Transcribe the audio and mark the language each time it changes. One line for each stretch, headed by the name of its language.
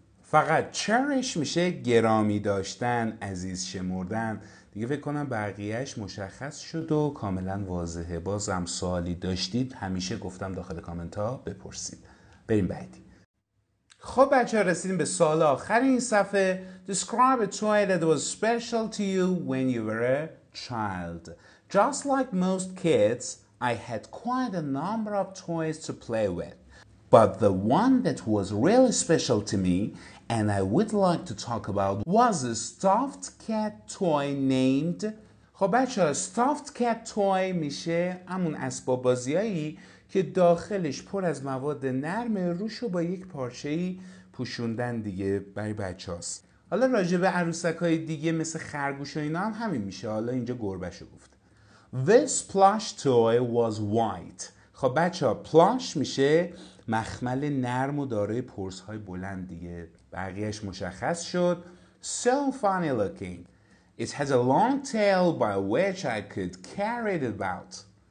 Persian: فقط cherish میشه گرامی داشتن، عزیز شمردن. دیگه فکر کنم بقیهش مشخص شد و کاملا واضحه. بازم سوالی داشتید همیشه گفتم داخل کامنت ها بپرسید. بریم بعدی. خب بچه ها رسیدیم به سوال آخر این صفحه.
English: Describe a toy that was special to you when you were a child. Just like most kids, I had quite a number of toys to play with. But the one that was really special to me and I would like to talk about was a stuffed cat toy named...
Persian: خب بچه ها stuffed cat toy میشه همون اسباب بازیایی که داخلش پر از مواد نرمه، روشو با یک پارچه‌ای پوشوندن دیگه برای بچه هاست. حالا راجع به عروسک‌های دیگه مثل خرگوش و اینا هم همین میشه. حالا اینجا گربه‌شو گفت.
English: This plush toy was white.
Persian: خب بچه ها plush میشه مخمل نرم و داره پرس‌های بلند دیگه. بقیهش مشخص شد.
English: So funny looking. It has a long tail by which I could carry it about.